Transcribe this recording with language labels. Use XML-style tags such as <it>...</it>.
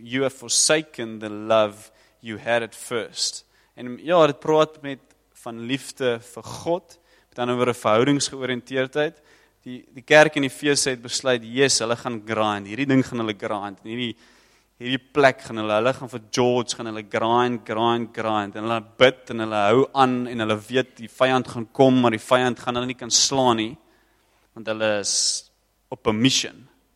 <en>You have forsaken the love you had at first."</en> <af>En ja, dit praat met van liefde vir God, met ander woorde verhoudingsgeoriënteerdheid. Die kerk in Efese het besluit, yes, hulle gaan grind, hierdie ding gaan hulle grind, en hierdie plek gaan hulle gaan vir George, gaan hulle grind, en hulle bid, en hulle hou aan, en hulle weet, die vyand gaan kom, maar die vyand gaan hulle nie kan slaan nie, want hulle is op 'n mission.</af>